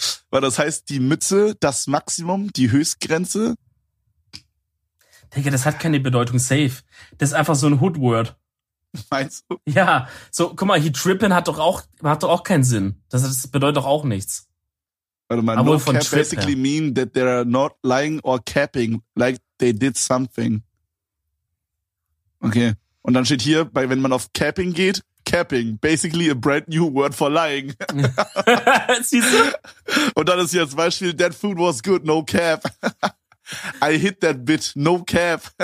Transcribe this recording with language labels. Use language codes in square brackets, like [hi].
[de] Weil das heißt die Mütze, das Maximum, die Höchstgrenze. Digga, das hat keine Bedeutung, safe. Das ist einfach so ein Hood-Word. Meinst du? Ja, so, guck mal, [en] he trippin' [de] hat doch auch keinen Sinn. Das bedeutet doch auch nichts. Warte mal, [en] no cap basically mean that they're not lying or capping, like they did something. [de] Okay, und dann steht hier, wenn man auf capping geht, capping, [en] basically a brand new word for lying. [de] Siehst du? Und dann ist hier das Beispiel, [en] that food was good, no cap. I hit that bit, no cap.